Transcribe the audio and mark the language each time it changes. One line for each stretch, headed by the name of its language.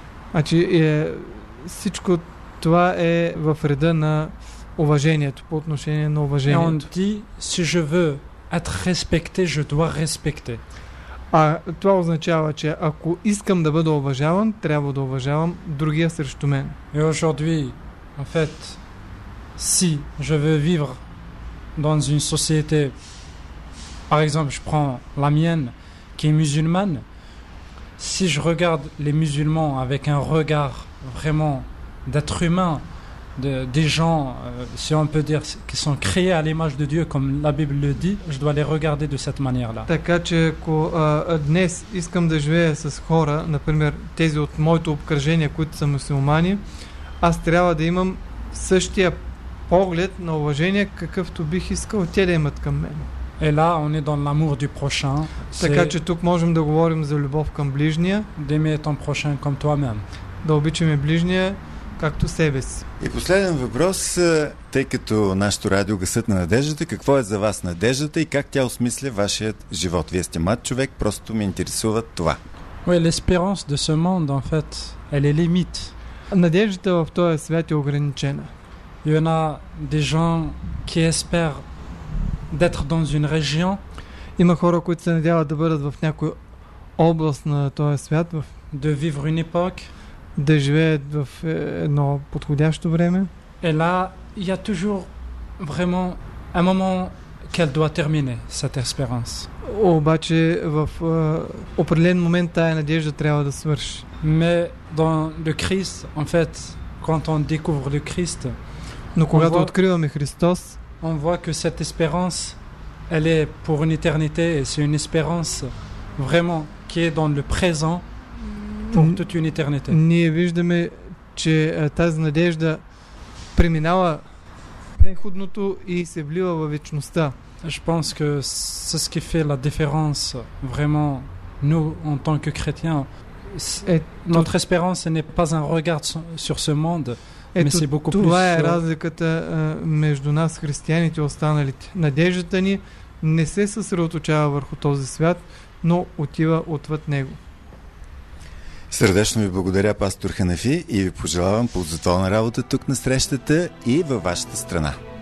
Bulgarian: Значи, всичко това е в реда на уважението, по отношение на уважението.
French: Et on dit, si je veux être respecté, je dois respecter.
Bulgarian: А това означава, че ако искам да бъда уважаван, трябва да уважавам другия срещу мен.
French: Et aujourd'hui, en fait, si je veux vivre dans une société, par exemple, je prends la mienne, qui est musulmane, si je regarde les musulmans avec un regard vraiment d'être humain, des gens, si on peut dire, qui sont créés à l'image de Dieu, comme la Bible le dit, je dois les regarder de cette manière-là.
Bulgarian: Така че, ако днес искам да живея с хора, например, тези от моето обкръжение, които са мюсюлмани, аз трябва да имам същия поглед на уважение, какъвто бих искал те да имат към мен.
French: Et là, on est dans l'amour du prochain.
Bulgarian: Така че, тук можем да говорим за любов към ближния.
French: D'aimer ton prochain comme toi-même.
Bulgarian: Да обичаме ближния, както себе си. И последен въпрос, тъй като нашето радио Гъсът на надеждата, какво е за вас надеждата и как тя осмисля вашият живот? Вие сте млад човек, просто ме интересува това.
French: Oui, l'espérance de ce monde, en fait, elle est limite.
Bulgarian: Надеждата в този свят е ограничена.
French: Il y en a des gens qui espèrent d'être dans une région.
Bulgarian: Има хора, които се надяват да бъдат в някой област на този свят.
French: De vivre une époque.
Bulgarian: Да живеят в едно подходящо време.
French: Et là, il y a toujours vraiment un moment qu'elle doit terminer cette espérance. Mais dans le Christ, en fait, quand on découvre le Christ, on voit que cette espérance, elle est pour une éternité, et c'est une espérance vraiment qui est dans le présent pour toute une éternité.
Bulgarian: Ние виждаме, че тази надежда преминава преходното и се влива във вечността.
French: Je pense que c'est ce qui fait la différence vraiment nous en tant que chrétiens. Notre espérance n'est pas un regard sur ce monde, mais c'est beaucoup plus.
Bulgarian: Това е разликата между нас, християните, и останалите. Надеждата ни не се съсредоточава върху този свят, но отива отвъд него. Сърдечно ви благодаря, пастор Ханафи, и ви пожелавам ползотворна работа тук на срещата и във вашата страна.